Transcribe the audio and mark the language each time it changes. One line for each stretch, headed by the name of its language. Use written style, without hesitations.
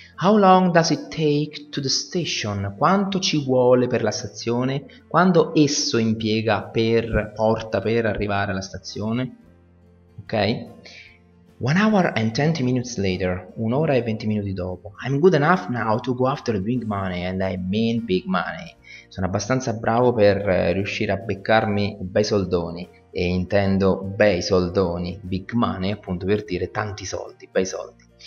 English: How long does it take to the station?
Italian: Quanto ci vuole per la stazione? Quando esso impiega per porta per arrivare alla stazione?
English: Ok? 1 hour and 20 minutes later.
Italian: 1 ora e 20 minuti dopo.
English: I'm good enough now to go after big money, and I mean big money.
Italian: Sono abbastanza bravo per riuscire a beccarmi bei soldoni. E intendo bei soldoni,
English: big money,
Italian: appunto per dire tanti soldi, bei soldi.